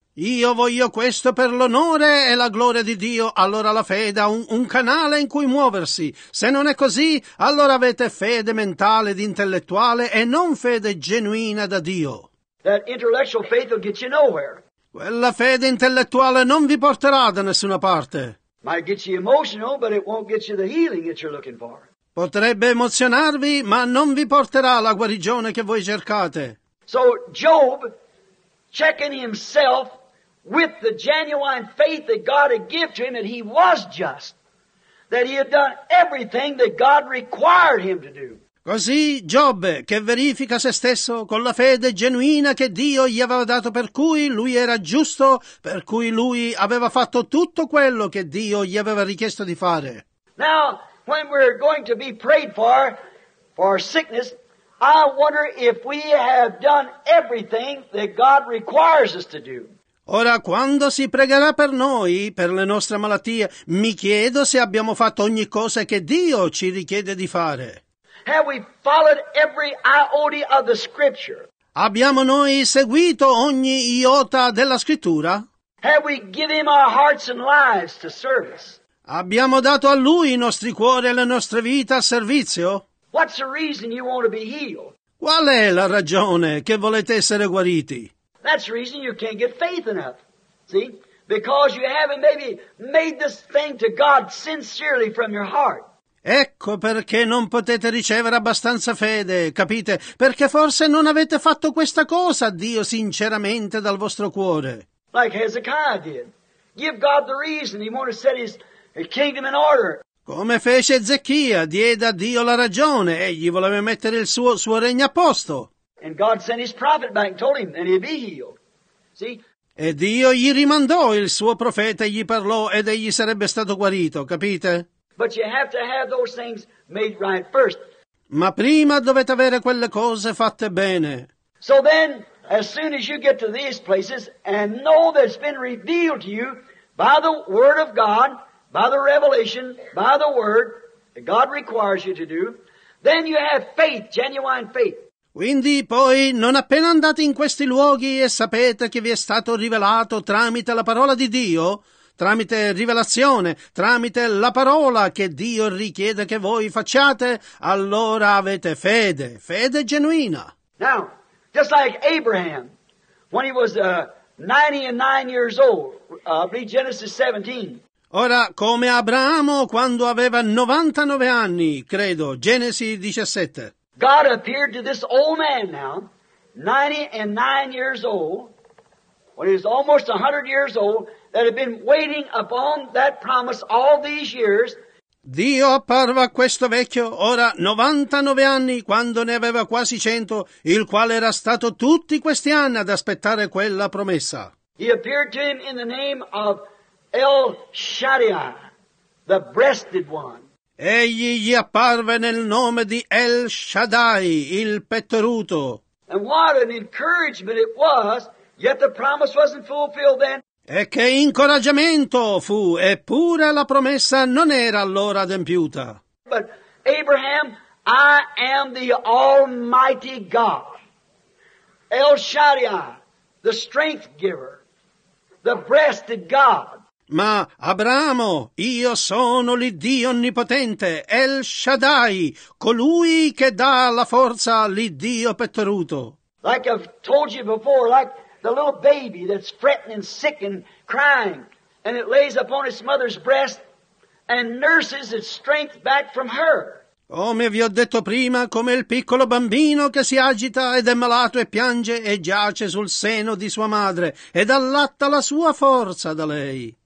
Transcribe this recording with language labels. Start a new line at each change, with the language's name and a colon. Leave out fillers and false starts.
Italian: Io voglio questo per l'onore e la gloria di Dio, allora la fede ha un canale in cui muoversi. Se non è così, allora avete fede mentale ed intellettuale e non fede genuina da Dio.
English: That intellectual faith will get you nowhere.
Italian: Quella fede intellettuale non vi porterà da nessuna parte.
English: Might get you emotional, but it won't get you the healing that you're looking for.
Italian: Potrebbe emozionarvi, ma non vi porterà la guarigione che voi cercate.
English: So Job, checking himself with the genuine faith that God had given to him, that he was just, that he had done everything that God required him to do.
Italian: Così Giobbe, che verifica se stesso con la fede genuina che Dio gli aveva dato, per cui lui era giusto, per cui lui aveva fatto tutto quello che Dio gli aveva richiesto di fare.
English: Now, when we're going to be prayed for our sickness, I wonder if we have done everything that God requires us to do.
Italian: Ora, quando si pregherà per noi, per le nostre malattie, mi chiedo se abbiamo fatto ogni cosa che Dio ci richiede di fare.
English: Have we followed every iota of the Scripture?
Italian: Abbiamo noi seguito ogni iota della Scrittura?
English: Have we given him our hearts and lives to service?
Italian: Abbiamo dato a Lui i nostri cuori e le nostre vite a servizio?
English: What's the reason you want to be healed?
Italian: Qual è la ragione che volete essere guariti?
English: That's the reason you can't get faith enough. See? Because you haven't maybe made this thing to God sincerely from your heart.
Italian: Ecco perché non potete ricevere abbastanza fede, capite? Perché forse non avete fatto questa cosa a Dio sinceramente dal vostro cuore.
English: Like Hezekiah did. Give God the reason he wanted to set his kingdom in order.
Italian: Come fece Ezechia, diede a Dio la ragione, egli voleva mettere il suo regno a posto.
English: And God sent his prophet back and told him that he'd be healed. See?
Italian: E Dio gli rimandò il suo profeta e gli parlò ed egli sarebbe stato guarito, capite?
English: But you have to have those things made right first.
Italian: Ma prima dovete avere quelle cose fatte bene.
English: So then, as soon as you get to these places and know that it's been revealed to you by the word of God, by the revelation, by the word that God requires you to do, then you have faith, genuine faith.
Italian: Quindi poi, non appena andate in questi luoghi e sapete che vi è stato rivelato tramite la parola di Dio, tramite rivelazione, tramite la parola che Dio richiede che voi facciate, allora avete fede, fede genuina.
English: Now, just like Abraham, when he was 99 years old, read Genesis 17.
Italian: Ora, come Abramo quando aveva 99 anni, credo, Genesi 17.
English: God appeared to this old man now, 99 years old, when he was almost 100 years old, that had been waiting upon that promise all these years.
Italian: Dio apparve a questo vecchio, ora 99 anni, quando ne aveva quasi 100, il quale era stato tutti questi anni ad aspettare quella promessa.
English: He appeared to him in the name of El Shaddai, the breasted one.
Italian: Egli gli apparve nel nome di El Shaddai, il pettoruto.
English: And what an encouragement it was, yet the promise wasn't fulfilled then.
Italian: E che incoraggiamento fu, eppure la promessa non era allora adempiuta.
English: But Abraham, I am the Almighty God. El Shaddai, the strength giver, the breasted God.
Italian: ma Abramo, io sono l'Iddio Onnipotente, El Shaddai, colui che dà la forza all'Iddio Pettoruto.
English: Like I've told you before, like the little baby that's fretting and sick and crying, and it lays upon its mother's breast and nurses its strength back from her.
Italian: Come vi ho detto prima, come il piccolo bambino che si agita ed è malato e piange e giace sul seno di sua madre ed allatta la sua forza da lei.